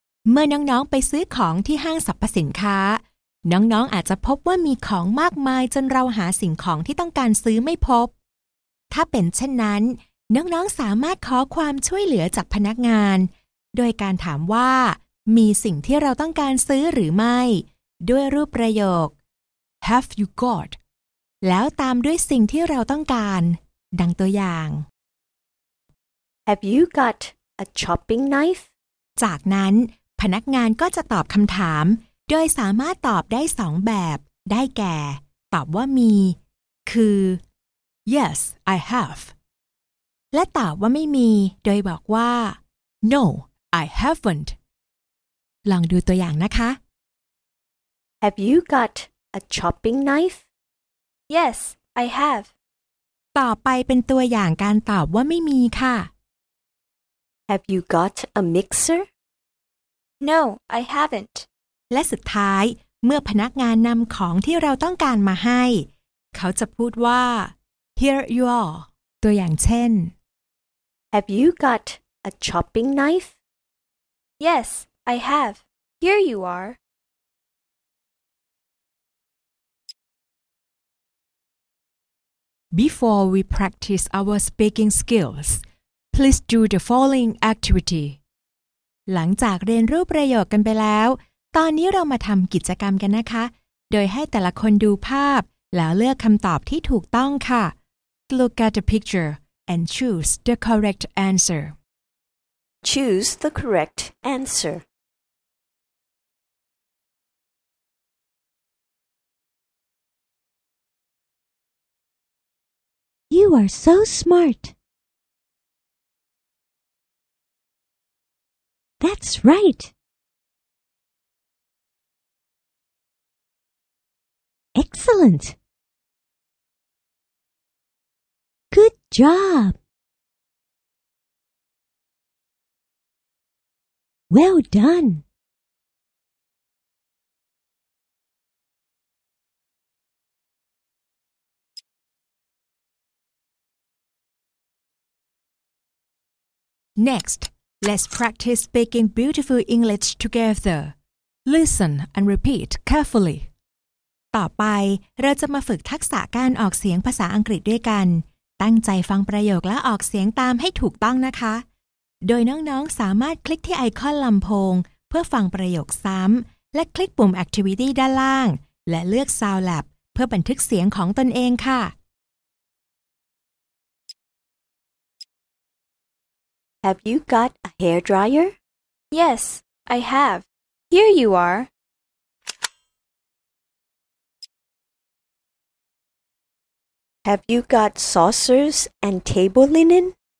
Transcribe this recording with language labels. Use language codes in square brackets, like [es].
[th] เมื่อน้องๆไปซื้อของที่ห้างสรรพสินค้าน้องๆ อาจจะพบว่ามีของมากมายจนเราหาสิ่งของที่ต้องการซื้อไม่พบถ้าเป็นเช่นนั้นน้องๆสามารถขอความช่วยเหลือจากพนักงานโดยการถามว่ามีสิ่งที่เราต้องการซื้อหรือไม่ด้วยรูปประโยค [en] Have you got [th] แล้วตามด้วยสิ่งที่เราต้องการดังตัวอย่าง [en] Have you got a chopping knife [th] จากนั้นพนักงานก็จะตอบคำถามโดยสามารถตอบได้สองแบบได้แก่ตอบว่ามีคือ [en] Yes, I have [th] และตอบว่าไม่มีโดยบอกว่า [en] No, I haven't [th] ลองดูตัวอย่างนะคะ [en] Have you got a chopping knife? Yes, I have [th] ต่อไปเป็นตัวอย่างการตอบว่าไม่มีค่ะ [en] Have you got a mixer? No, I haven't [th] และสุดท้ายเมื่อพนักงานนำของที่เราต้องการมาให้เขาจะพูดว่า [en] Here you are [th] ตัวอย่างเช่น [en] Have you got a chopping knife? Yes, I have. Here you are. Before we practice our speaking skills, please do the following activity. [th] หลังจากเรียนรูปประโยคกันไปแล้วตอนนี้เรามาทำกิจกรรมกันนะคะโดยให้แต่ละคนดูภาพแล้วเลือกคำตอบที่ถูกต้องค่ะ [en] Look at the picture and choose the correct answer. Choose the correct answer. are so smart. That's right. Excellent. Good job. Well done. Next, let's practice speaking beautiful English together. Listen and repeat carefully. [th] ต่อไปเราจะมาฝึกทักษะการออกเสียงภาษาอังกฤษด้วยกันตั้งใจฟังประโยคและออกเสียงตามให้ถูกต้องนะคะโดยน้องๆสามารถคลิกที่ไอคอนลำโพงเพื่อฟังประโยคซ้ำและคลิกปุ่ม Activity ด้านล่างและเลือก Sound Lab เพื่อบันทึกเสียงของตนเองค่ะ [en] Have you got a hair dryer? Yes, I have. Here you are. Have you got saucers and table linen?